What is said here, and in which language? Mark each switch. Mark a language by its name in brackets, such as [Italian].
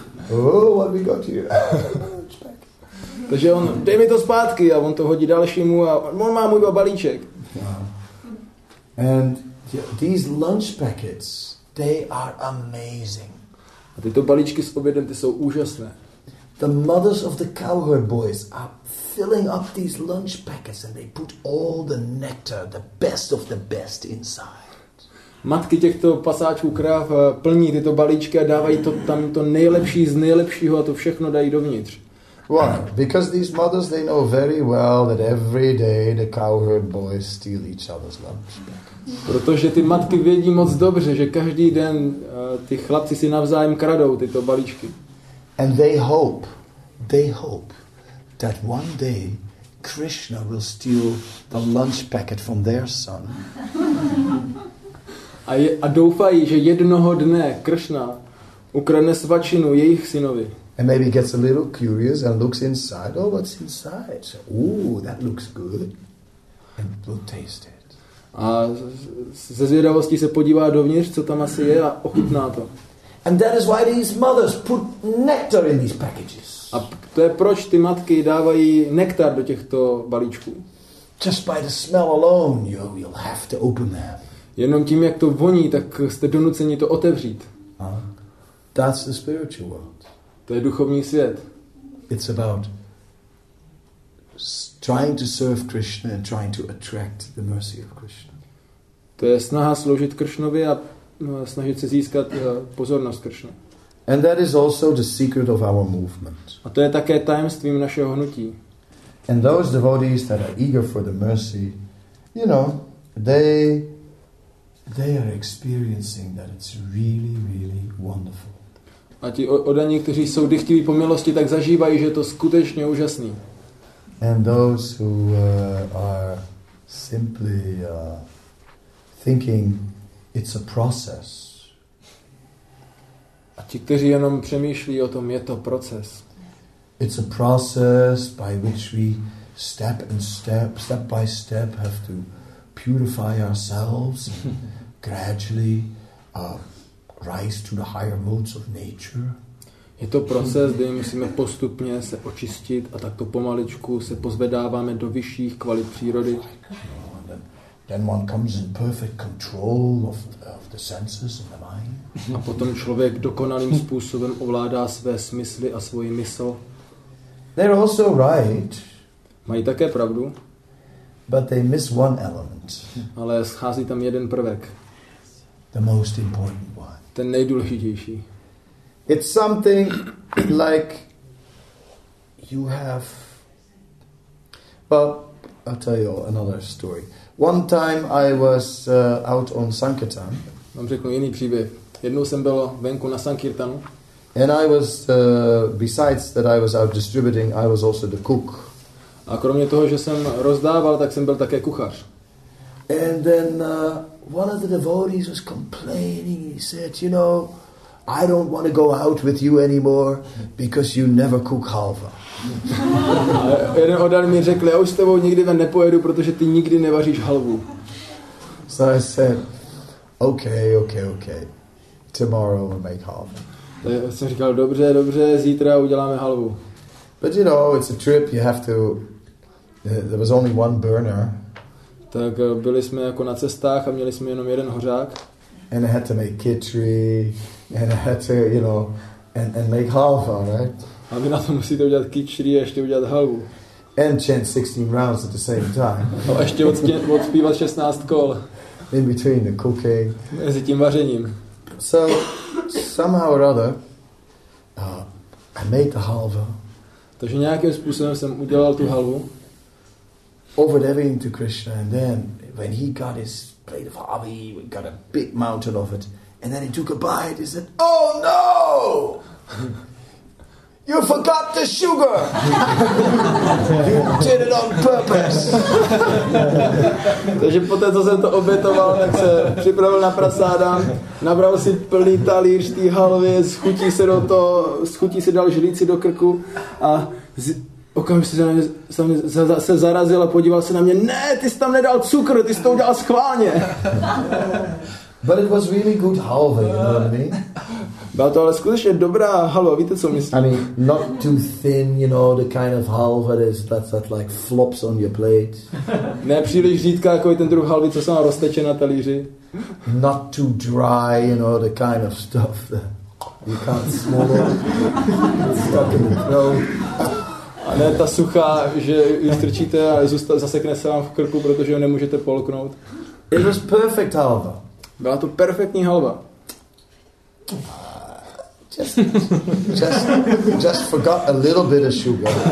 [English] Oh, what we got here? [Czech] Takže on, dej mi to zpátky, a on to hodí dalšímu a on má můj balíček. [English] And these lunch packets, they are amazing. [Czech] A tyto balíčky s obědem, ty jsou úžasné. [English] The mothers of the cowherd boys are filling up these lunch packets and they put all the nectar, the best of the best inside. [Czech] Matky těchto pasáčků kráv plní tyto balíčky a dávají to tam to nejlepší z nejlepšího a to všechno dají dovnitř. [English] Why? Because these mothers they know very well that every day the cowherd boys steal each other's lunch. [Czech] Protože ty matky vědí moc dobře, že každý den ty chlapci si navzájem kradou tyto balíčky. [English] And they hope that one day Krishna will steal the lunch packet from their son. [Czech] A doufají, že jednoho dne Krishna ukradne svačinu jejich synovi. [English] And maybe gets a little curious and looks inside. Oh, what's inside? Ooh, that looks good. And will taste it. [Czech] A ze zvědavosti se podívá dovnitř, co tam asi je a ochutná to. [English] And that is why these mothers put nectar in these packages. [Czech] A to je proč ty matky dávají nektar do těchto balíčků. [English] Just by the smell alone, you'll have to open them. [Czech] Jenom tím, jak to voní, tak jste donuceni to otevřít. [English] That's the spiritual world. [Czech] To je duchovní svět. [English] It's about trying to serve Krishna and trying to attract the mercy of Krishna. [Czech] To je snaha sloužit Krishnovi a snažit se získat pozornost Krishna. [English] And that is also the secret of our movement. [Czech] A to je také tajemstvím našeho hnutí. [English] And those devotees that are eager for the mercy, you know, they are experiencing that it's really, really wonderful. [Czech] A ti oddaní, kteří jsou dychtiví po milosti, tak zažívají, že je to skutečně úžasný. [English] And those who are simply thinking it's a process. [Czech] A ti, kteří jenom přemýšlí o tom, je to proces. [English] It's a process by which we step and step, step by step, have to purify ourselves and gradually rise to the higher modes of nature. [Czech] Je to proces, kdy musíme postupně se očistit a takto pomaličku se pozvedáváme do vyšších kvalit přírody. [English] Then one comes in perfect control of the senses and the mind. [Czech] A potom člověk dokonalým způsobem ovládá své smysly a svoji mysl. [English] They're also right. [Czech] Mají také pravdu. [English] But they miss one element. [Czech] Ale schází tam jeden prvek. [English] The most important one. [Czech] Ten nejdůležitější. [English] It's something like you have. Well, I'll tell you another story. One time I was out on Sankirtan. [Czech] Vám řeknu jiný příběh. Jednou jsem byl venku na Sankirtanu. [English] And I was, besides that I was out distributing, I was also the cook. [Czech] A kromě toho, že jsem rozdával, tak jsem byl také kuchař. [English] And then one of the devotees was complaining. He said, you know, I don't want to go out with you anymore because you never cook halva. [Czech] Jeden oddaný mi řekl, já už s tebou nikdy ven nepojedu, protože ty nikdy nevaříš halvu. [English] So I said, okay, okay, okay. Tomorrow we'll make halva. [Czech] Tak jsem říkal, dobře, zítra uděláme halvu. [English] But you know, it's a trip, you have to, there was only one burner. [Czech] Tak byli jsme jako na cestách a měli jsme jenom jeden hořák. [English] And I had to make khichdi, and I had to, you know, and make halva, right? [Czech] A vy na to musíte udělat khichdi a ještě udělat halvu. [English] And chant 16 rounds at the same time. [Czech] A ještě odspívat 16 kol. [English] In between the cooking. [Czech] Mezi tím vařením. [English] So somehow or other, I made the halva. [Czech] Takže nějakým způsobem jsem udělal tu halvu. [English] Offered everything to Krishna, and then when he got his plate of halva, we got a big mountain of it, and then he took a bite. He said, "Oh no, you forgot the sugar. You did it on purpose." [Czech] Takže poté, co jsem to obětoval, tak se připravil na prasáda, nabral si plný talíř té halvy, schutí se dal žlíci do krku a okamžitě se zarazil a podíval se na mě. Ne, ty jsi tam nedal cukr, ty jsi to udělal schválně. [English] But it was really good halva, you know what I mean? [Czech] Byla to ale skutečně dobrá halva, víte, co myslím? [English] I mean, not too thin, you know, the kind of halva that like flops on your plate. [Czech] Ne příliš řídká, jako ten druh halvy, co se má rozteče na talíři. [English] Not too dry, you know, the kind of stuff that you can't swallow. Stuck in your throat. [Czech] A ne ta suchá, že ji strčíte a zasekne se vám v krku, protože ho nemůžete polknout. [English] It was perfect halva. [Czech] Byla to perfektní halva. [English] Just forgot a little bit of sugar.